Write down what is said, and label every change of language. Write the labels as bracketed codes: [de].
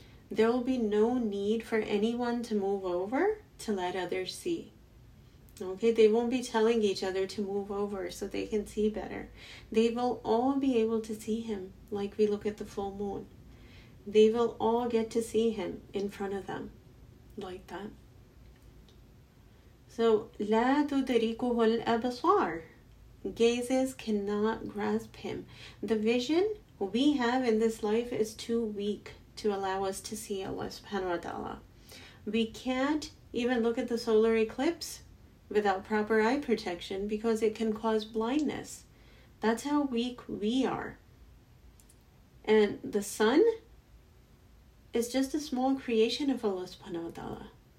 [en] There will be no need for anyone to move over to let others see. Okay, they won't be telling each other to move over so they can see better. They will all be able to see him like we look at the full moon. They will all get to see him in front of them like that. So, [ar] لا تدركه الأبصار. [en] Gazes cannot grasp him. The vision we have in this life is too weak to allow us to see Allah subhanahu wa ta'ala. We can't even look at the solar eclipse without proper eye protection because it can cause blindness. That's how weak we are. And the sun is just a small creation of Allah subhanahu wa ta'ala.